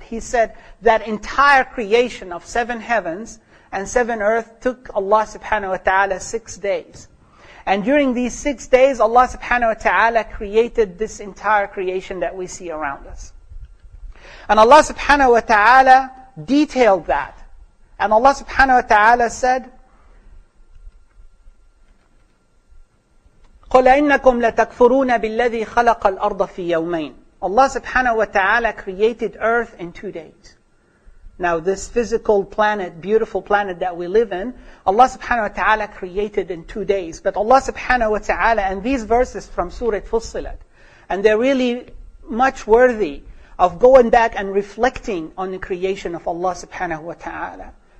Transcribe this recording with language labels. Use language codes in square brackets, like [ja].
[en] But He said that entire creation of seven heavens and seven earth took Allah subhanahu wa ta'ala 6 days. And during these 6 days, Allah subhanahu wa ta'ala created this entire creation that we see around us. And Allah subhanahu wa ta'ala detailed that. And Allah subhanahu wa ta'ala said, [ar] قُلَ إِنَّكُمْ لَتَكْفُرُونَ بِالَّذِي خَلَقَ الْأَرْضَ فِي يَوْمَيْنِ. [en] Allah subhanahu wa ta'ala created earth in 2 days. Now this physical planet, beautiful planet that we live in, Allah subhanahu wa ta'ala created in 2 days. But Allah subhanahu wa ta'ala, and these verses from Surah Fussilat, and they're really much worthy of going back and reflecting on the creation of Allah subhanahu wa ta'ala.